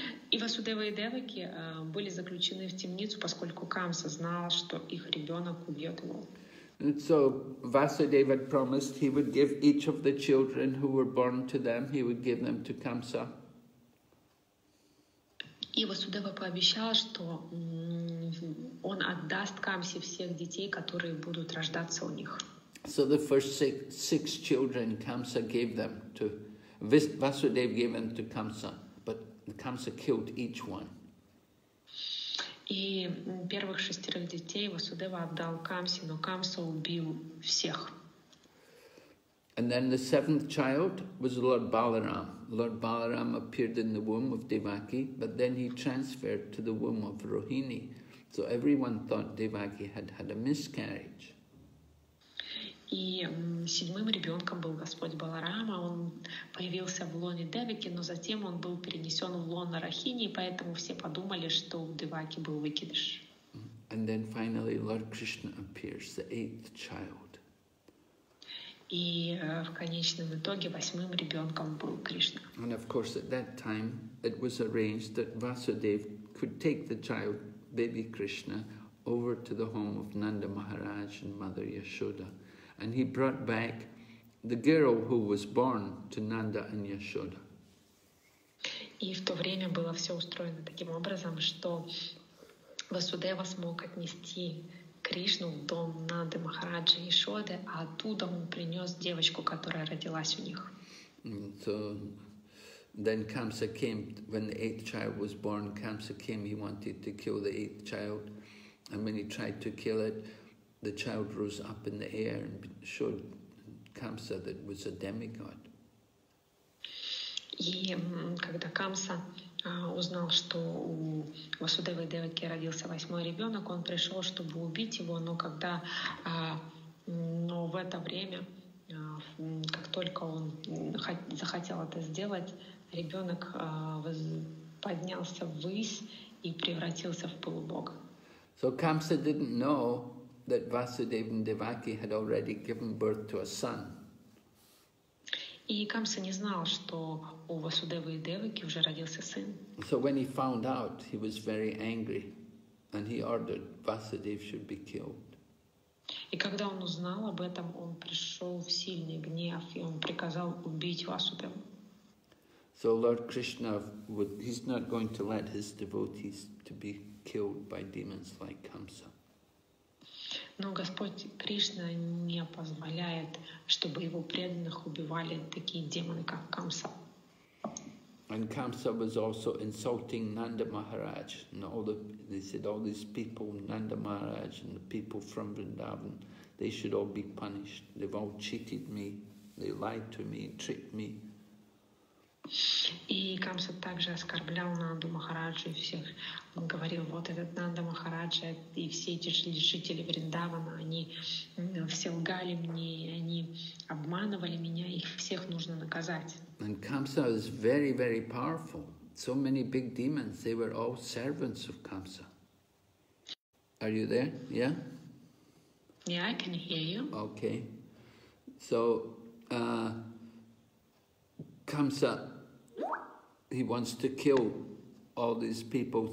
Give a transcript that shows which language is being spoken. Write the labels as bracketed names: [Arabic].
[Russian] И Васудева и Деваки были заключены в темницу, поскольку Камса знал, что их ребенок убьет его. [English] And so Vasudeva promised he would give each of the children who were born to them, he would give them to Kamsa. [Russian] И Васудева пообещал, что он отдаст Камсе всех детей, которые будут рождаться у них. [English] So the first six children Kamsa gave them to Vasudev gave them to Kamsa, but Kamsa killed each one. [Russian] И первых шестерых детей Васудева отдал Камсе, но Камса убил всех. [English] And then the seventh child was Lord Balaram. Lord Balaram appeared in the womb of Devaki, but then he transferred to the womb of Rohini. So everyone thought Devaki had a miscarriage. [Russian] И седьмым ребенком был Господь Баларама. Он появился в лоне Девики, но затем он был перенесен в лоно Рахини, и поэтому все подумали, что у Деваки был выкидыш. [English] And then finally Lord Krishna appears, the eighth child. [Russian] И в конечном итоге восьмым ребенком был Кришна. [English] And of course at that time it was arranged that Vasudev could take the child, baby Krishna, over to the home of Nanda Maharaj and Mother Yashoda. And he brought back the girl who was born to Nanda and Yashoda. [Russian] И в то время было все устроено таким образом, что Васудева смог отнести Кришну в дом Нанды Махараджи и Шоды, а оттуда он принес девочку, которая родилась у них. [English] So then Kamsa came, when the eighth child was born, Kamsa came, he wanted to kill the eighth child. And when he tried to kill it, the child rose up in the air and showed Kamsa that it was a demigod. [Russian] И когда Камса узнал, что у Васудевы Девики родился восьмой ребенок, он пришел, чтобы убить его, но когда но в это время, как только он захотел это сделать, ребенок поднялся ввысь и превратился в полубога. [English] So Kamsa didn't know that Vasudeva and Devaki had already given birth to a son. [Russian] И Камса не знал, что у Васудевы и Девики уже родился сын. [English] So when he found out, he was very angry, and he ordered Vasudev should be killed. [Russian] И когда он узнал об этом, он пришел в сильный гнев, и он приказал убить Васудеву. [English] So Lord Krishna, he's not going to let his devotees to be killed by demons like Kamsa. [Russian] Но Господь Кришна не позволяет, чтобы его преданных убивали такие демоны, как Камса. [English] And Kamsa was also insulting Nanda Maharaj. They said all these people, Nanda Maharaj and the people from Vrindavan, they should all be punished. They've all cheated me, they lied to me, tricked me. [Russian] И Камса также оскорблял Нанду Махараджу и всех. Он говорил, вот этот Нанда Махараджа и все эти жители Вриндавана, они все лгали мне, они обманывали меня, их всех нужно наказать. [English] And Kamsa was very, very powerful. So many big demons, they were all servants of Kamsa. Are you there? Yeah? Yeah, I can hear you. Okay. So, Kamsa, he wants to kill all these people.